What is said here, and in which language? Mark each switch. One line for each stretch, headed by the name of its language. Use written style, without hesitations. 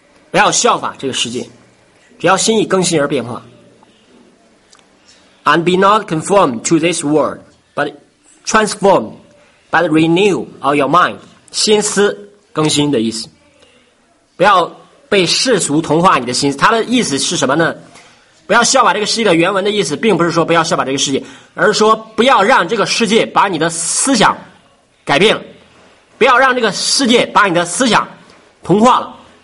Chinese: 不要效法这个世界，只要心意更新而变化。
English: And be not conformed to this world, but transformed by the renew of your mind.
Chinese: 心思更新的意思，不要被世俗同化你的心思。它的意思是什么呢？不要效法这个世界的原文的意思并不是说不要效法这个世界，而是说不要让这个世界把你的思想改变了，不要让这个世界把你的思想同化了。